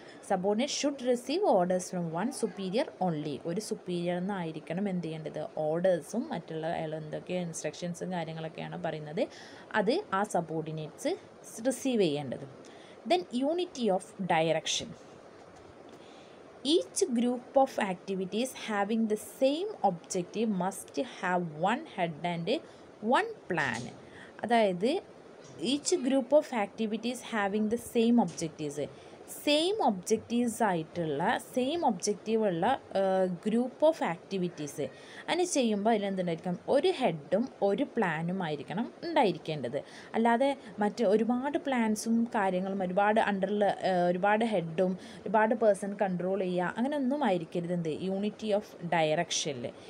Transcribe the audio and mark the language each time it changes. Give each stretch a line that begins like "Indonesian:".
English: Subordinate should receive orders from one superior only.
Malayalam: ഒരു സുപ്പീരിയറെന്നായിരിക്കണം എന്ത് ചെയ്യേണ്ടത്, ഓർഡേഴ്സും മറ്റുള്ള അയാൾ എന്തൊക്കെ ഇൻസ്ട്രക്ഷൻസും കാര്യങ്ങളൊക്കെയാണ് പറയുന്നത് അത് ആ സബോർഡിനേറ്റ്സ് റിസീവ് ചെയ്യേണ്ടത്.
English: Then unity of direction. Each group of activities having the same objective must have one head and one plan.
Malayalam: അതായത്
English: each group of activities having the same objectives
Malayalam: same objectives ആയിട്ടുള്ള same objective ഉള്ള group of activities അങ്ങനെ ചെയ്യുമ്പോൾ അതിലെന്തുണ്ടായിരിക്കണം ഒരു ഹെഡും ഒരു പ്ലാനും ആയിരിക്കണം ഉണ്ടായിരിക്കേണ്ടത് അല്ലാതെ മറ്റ് ഒരുപാട് പ്ലാൻസും കാര്യങ്ങളും ഒരുപാട് അണ്ടറിൽ ഒരുപാട് ഹെഡും ഒരുപാട് പേഴ്സൺ കൺട്രോൾ ചെയ്യുക അങ്ങനെ ഒന്നും ആയിരിക്കരുത് എന്ത് യൂണിറ്റി ഓഫ് ഡയറക്ഷനിൽ